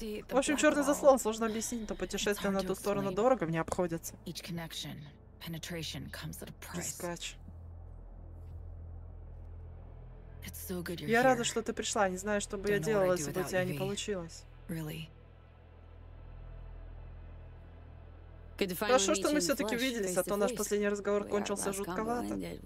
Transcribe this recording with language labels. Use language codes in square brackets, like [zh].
[ru] В общем, черный заслон, сложно объяснить, но путешествие на ту сторону дорого мне обходится. [en] Penetration comes at a price. It's so good you're here. [ru] Я рада, что ты пришла. Не знаю, что бы я делала, если бы у тебя не получилось. Хорошо, что мы все-таки виделись, а то наш последний разговор кончился жутковато.